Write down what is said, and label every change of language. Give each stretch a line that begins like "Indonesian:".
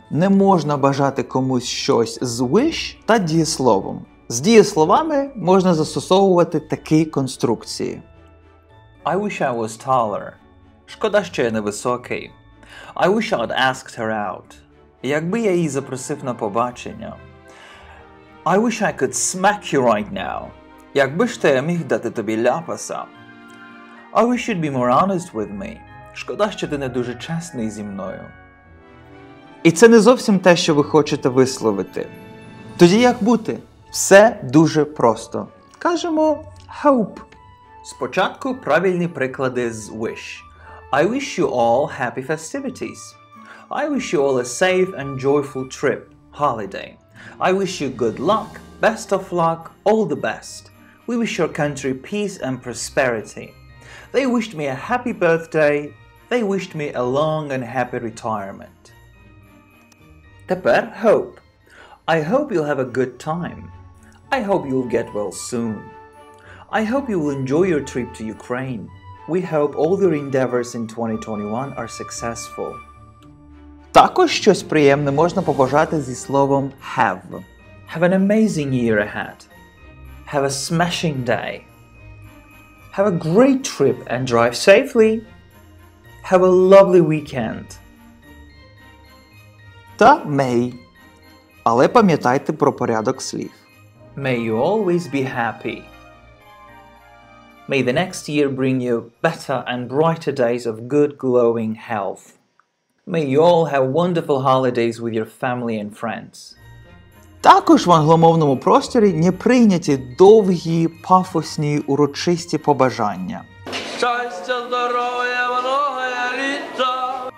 Ukrainian: Не можна бажати комусь щось з wish та дієсловом. З дієсловами можна застосовувати такі конструкції.
English: I wish I was taller.
Ukrainian: Шкода, що я невисокий.
English: I wish I'd asked her out.
Ukrainian: Якби я її запросив на побачення.
English: I wish I could smack you right now.
Ukrainian: Якби ж то я міг дати тобі ляпаса.
English: I wish you'd be more honest with me.
Ukrainian: Шкода, що ти не дуже чесний зі мною. І це не зовсім те, що ви хочете висловити. Тоді як бути? Все дуже просто. Кажемо hope. Спочатку правильні приклади з wish.
English: I wish you all happy festivities. I wish you all a safe and joyful trip, holiday. I wish you good luck, best of luck, all the best. We wish your country peace and prosperity. They wished me a happy birthday. They wished me a long and happy retirement.
Ukrainian: Тепер
English: hope. I hope you'll have a good time. I hope you'll get well soon. I hope you will enjoy your trip to Ukraine. We hope all your endeavors in 2021 are successful.
Ukrainian: Також щось приємне можна побажати зі словом have.
English: Have an amazing year ahead. Have a smashing day. Have a great trip and drive safely. Have a lovely weekend.
Ukrainian: Та may. Але пам'ятайте про порядок слів.
English: May you always be happy. May the next year bring you better and brighter days of good glowing health. May you all have wonderful holidays with your family and friends.
Ukrainian: Також в англомовному просторі не прийняті довгі, пафосні, урочисті побажання. Щастя, здоров'я, багатого літа!